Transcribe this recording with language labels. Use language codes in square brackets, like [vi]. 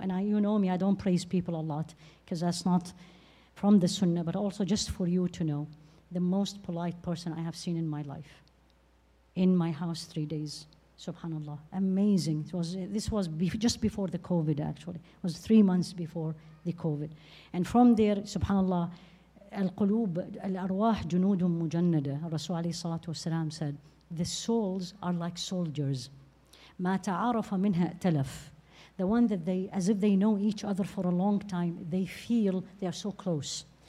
[en] And you know me, I don't praise people a lot, because that's not from the sunnah, but also just for you to know, the most polite person I have seen in my life, in my house 3 days, subhanAllah. Amazing. This was just before the COVID, actually. It was 3 months before the COVID. And from there, subhanAllah, [ar] القلوب الأرواح جنود مجندة. الرسول عليه الصلاة والسلام [en] said the souls are like soldiers. [ar] ما تعارف منها ائتلف. [en] The one that they, as if they know each other for a long time, they feel they are so close.